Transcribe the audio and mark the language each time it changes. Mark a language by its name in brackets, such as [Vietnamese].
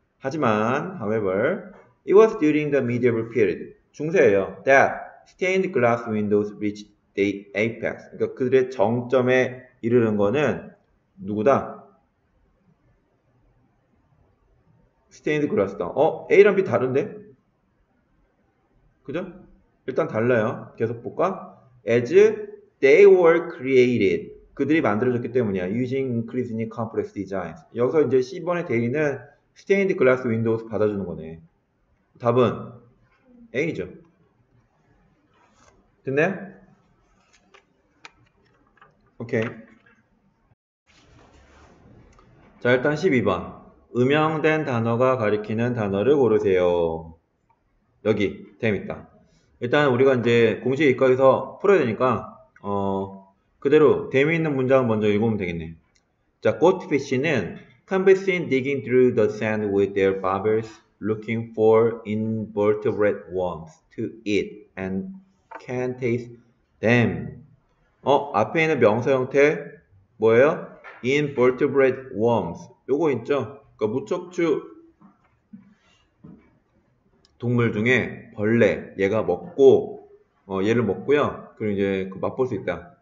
[Korean] 하지만, [English] however, it was during the medieval period, [Korean] 중세예요, [English] that stained glass windows reached the apex. [Korean] 그러니까 그들의 정점에 이르는 거는 누구다? stained glass다. A랑 B 다른데? 그죠? 일단 달라요. 계속 볼까? [English] as they were created. [Korean] 그들이 만들어졌기 때문이야. [English] Using increasingly complex designs. [Korean] 여기서 이제 C번의 대의는 stained glass windows 받아주는 거네. 답은 A죠. 됐네? 오케이. 자, 일단 12번. 음영된 단어가 가리키는 단어를 고르세요. 여기, 재밌다. 일단 우리가 이제 공식 여기서 풀어야 되니까, 그대로 재미있는 문장 먼저 읽으면 되겠네. 자, [English] goldfish는 canvassing digging through the sand with their barbels looking for invertebrate worms to eat and can taste them. [Korean] 앞에 있는 명사 형태 뭐예요? [English] invertebrate worms. [Korean] 요거 있죠? 그러니까 무척추 동물 중에 벌레 얘가 먹고 얘를 먹고요. 그리고 이제 그 맛볼 수 있다.